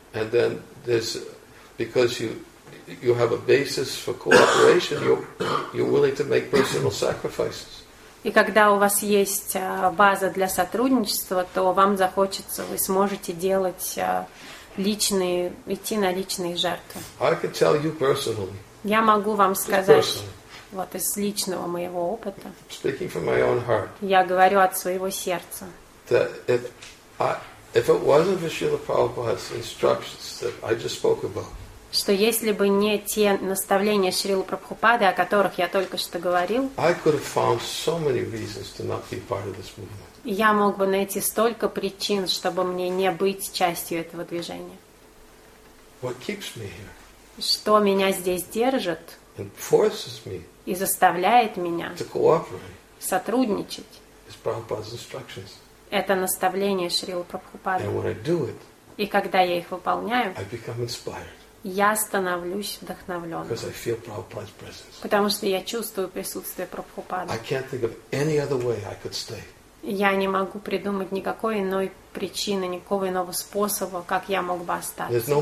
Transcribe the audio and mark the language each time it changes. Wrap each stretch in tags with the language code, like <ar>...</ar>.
<en>And then there's because you have a basis for cooperation, you're willing to make personal sacrifices.</en> <ru>И когда у вас есть база для сотрудничества, то вам захочется, вы сможете делать личные, идти на личные жертвы.</ru> <en>I can tell you personally.</en> <ru>Я могу вам сказать, вот из личного моего опыта.</ru> <en>Speaking from my own heart.</en> <ru>Я говорю от своего сердца.</ru> <en>That if it wasn't for Srila Prabhupada's instructions that I just spoke about.</en> <ru>Что если бы не те наставления Шрилы Прабхупады, о которых я только что говорил.</ru> <en>I could have found so many reasons to not be part of this movement.</en> <ru>Я мог бы найти столько причин, чтобы мне не быть частью этого движения.</ru> <en>What keeps me here?</en> <ru>Что меня здесь держит</ru> <en>and forces me</en> <ru>и заставляет меня</ru> <en>to cooperate</en> <ru>сотрудничать</ru> <en>is Prabhupada's instructions.</en> <ru>Это наставление Шрилы Прабхупады.</ru> <en>And when I do it,</en> <ru>и когда я их выполняю,</ru> <en>I become inspired.</en> <ru>Я становлюсь вдохновленным.</ru> <en>Because I feel Prabhupada's presence.</en> <ru>Потому что я чувствую присутствие Прабхупады.</ru> <en>I can't think of any other way I could stay.</en> <ru>я не могу придумать никакой иной причины, никакого иного способа, как я мог бы остаться.</ru>